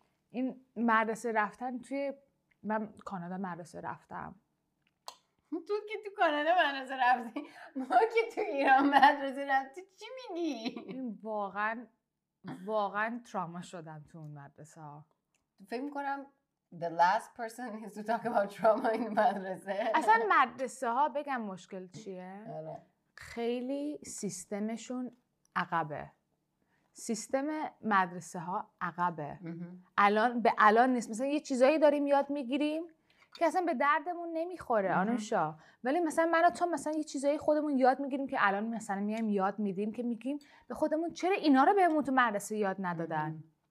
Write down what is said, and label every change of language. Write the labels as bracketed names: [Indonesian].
[Persian] این مدرسه رفتن توی، من کانادا مدرسه رفتم، تو که تو کانادا مدرسه رفتی، ما که تو ایران مدرسه رفتی، چی میگی؟ واقعا تراما شدم تو اون مدرسه ها. فکر میکنم [English] the last person needs to talk about trauma in مدرسه. [Persian] اصلا مدرسه ها بگم مشکل چیه؟ خیلی سیستمشون عقبه. سیستم مدرسه ها عقبه. الان به الان نیست. مثلا یه چیزایی داریم یاد میگیریم که اصلا به دردمون نمیخوره آنوشا، ولی مثلا من و تو مثلا یه چیزایی خودمون یاد میگیریم که الان مثلا میایم یاد میدیم که میگیم به خودمون چرا اینا رو بهمون تو مدرسه یاد ندادن.